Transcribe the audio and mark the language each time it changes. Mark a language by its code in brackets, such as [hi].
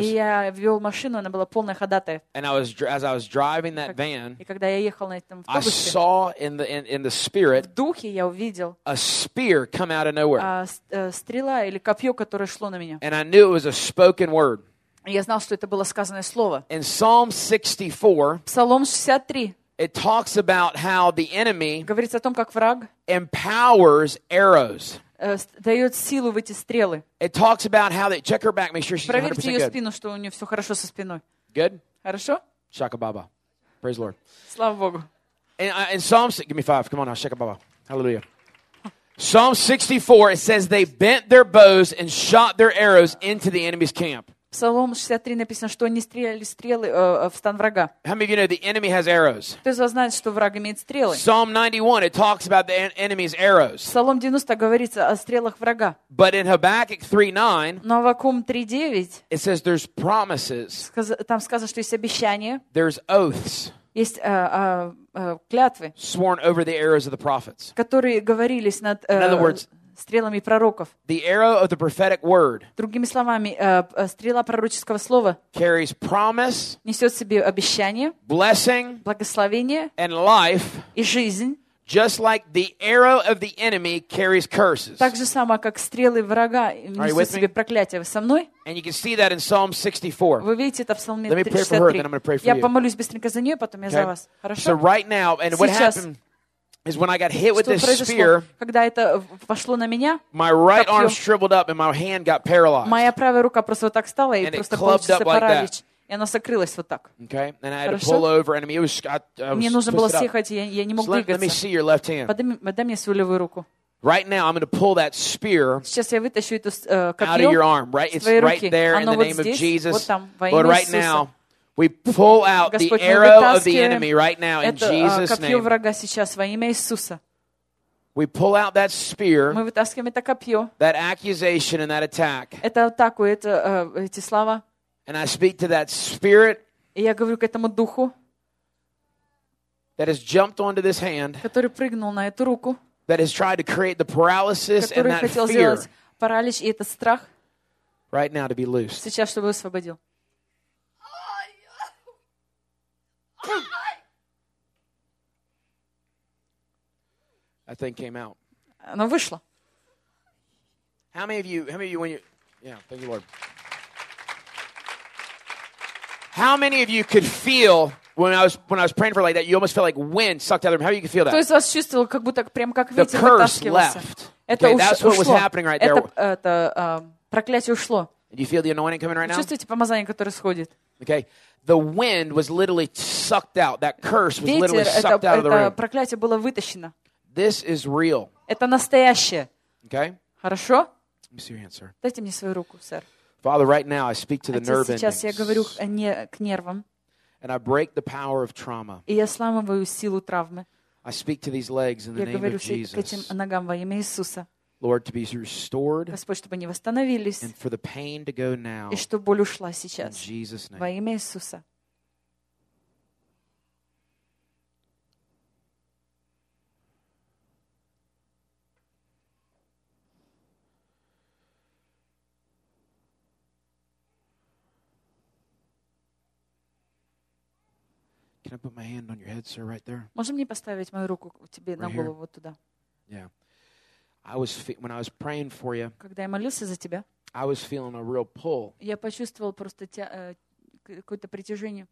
[ru] И я вел машину, она была полная ходатая. [en] And I was as I was driving that van. [ru] И когда я ехал на этом автобусе. [en] I saw in the spirit. [ru] В духе я увидел. [en] A spear come out of nowhere. [ru] Стрела или копье, которое шло на меня. [en] And I knew it was a spoken word. [ru] Я знал, что это было сказанное слово. [en] In Psalm 64. [ru] Псалом 63. [en] It talks about how the enemy. [ru] Говорится о том, как враг. [en] Empowers arrows. [ru] Дает силу в эти стрелы. [en] It talks about how they check her back, make sure she's 100% good. [ru] Проверьте ее спину, что у нее все хорошо со спиной. [en] Good. [ru] Хорошо. [en] Shaka Baba, praise Lord. [ru] Слава Богу. [en] In Psalm, give me five. Come on now, Shaka Baba, hallelujah. Psalm 64, it says they bent their bows and shot their arrows into the enemy's camp. [ru] Псалом 63 написано, что они стреляли стрелы в стан врага. [en] How many of you know the enemy has arrows? [ru] Кто из вас знает, что враг имеет стрелы? [en] Psalm 91, it talks about the enemy's arrows. [ru] Псалом 90 говорится о стрелах врага. [en] But in Habakkuk 3:9, [ru] но в Аввакум 3:9, [en] it says there's promises. [ru] Там сказано, что есть обещания. [en] There's oaths. [ru] Есть клятвы. [en] Sworn over the arrows of the prophets. [ru] Которые говорились над. [en] In other words. [ru] Стрелами пророков. [en] The arrow of the prophetic word. [ru] Другими словами, стрела пророческого слова. [en] Carries promise. [ru] Несет в себе обещание. [en] Blessing. [ru] Благословение. [en] And life. [ru] И жизнь. [en] Just like the arrow of the enemy carries curses. [ru] Так же само, как стрелы врага несут в себе проклятие. Вы со мной? [en] And you can see that in Psalm 64. [ru] Вы видите это в Псалме 64. [en] Let me pray for her, then I'm going to pray for [ru] я [en] you. [ru] Я помолюсь быстренько за нее, потом я okay. за вас. Хорошо? [en] So right now, and [ru] сейчас. [en] What happened? Is when I got hit with this spear. [ru] Когда это пошло на меня. [en] My right arm shriveled up and my hand got paralyzed. [ru] Моя правая рука просто вот так стала и просто получился паралич. И она сокрылась вот так. [en] Okay. And I had to pull over. And I mean, it was. [ru] Мне нужно было съехать, я не мог двигаться. [en] Let me see your left hand. [ru] Подай мне свою левую руку. [en] Right now, I'm going to pull that spear. [ru] Сейчас я вытащу это копье. [en] Out of your arm, right? It's right there in the name of Jesus. [ru] Вот там, во имя Иисуса. [en] Right now. We pull out [ru] Господь, [en] the arrow of the enemy right now in Jesus' name. [ru] Это копье врага сейчас во имя Иисуса. [en] We pull out that spear. [ru] Мы вытаскиваем это копье. [en] That accusation and that attack. [ru] Это атаку, это эти слова. [en] And I speak to that spirit. [ru] И я говорю к этому духу. [en] That has jumped onto this hand. [ru] Который прыгнул на эту руку. [en] That has tried to create the paralysis and that fear. [ru] Который хотел сделать паралич и этот страх. [en] Right now to be loose. [ru] Сейчас чтобы освободил. [en] That thing came out. [ru] Оно вышло. [en] How many of you when you yeah, thank you Lord. How many of you could feel when I was praying for like that, you almost felt like wind sucked out of the room. How you could feel that? [ru] То есть вас чувствовал, как будто прям как ветер вытаскивался. [en] The curse left. [ru] Это [en] okay, that's what [ru] ушло. [en] Was happening right there. [ru] Это проклятие ушло. [en] Do you feel the anointing coming right now? [ru] Чувствуете помазание, которое сходит? [en] Okay. The wind was literally sucked out. That curse was [ru] ветер, [en] literally sucked [ru] это, [en] out of the room. [ru] Это проклятие было вытащено. [en] This is real. [ru] Это настоящее. [en] Okay. [ru] Хорошо? [en] Let me see your hand, sir. [ru] Дайте мне свою руку, сэр. [en] Father, right now I speak to the nerve endings. [ru] Сейчас я говорю к нервам. [en] And I break the power of trauma. [ru] И я сломываю силу травмы. [en] I speak to these legs in the name of Jesus. [ru] Я говорю к этим ногам во имя Иисуса. [en] Lord, to be restored. [ru] Господь, чтобы они восстановились. [en] And for the pain to go now. [ru] И чтобы боль ушла сейчас. [en] In Jesus' name. [ru] Во имя Иисуса. [en] Can I put my hand on your head, sir, right there? [ru] Можешь мне поставить мою руку тебе на голову вот туда? [en] Yeah. When I was praying for you, [ru] когда я молился за тебя, [en] I was feeling a real pull. [ru] Я почувствовал просто какое-то притяжение.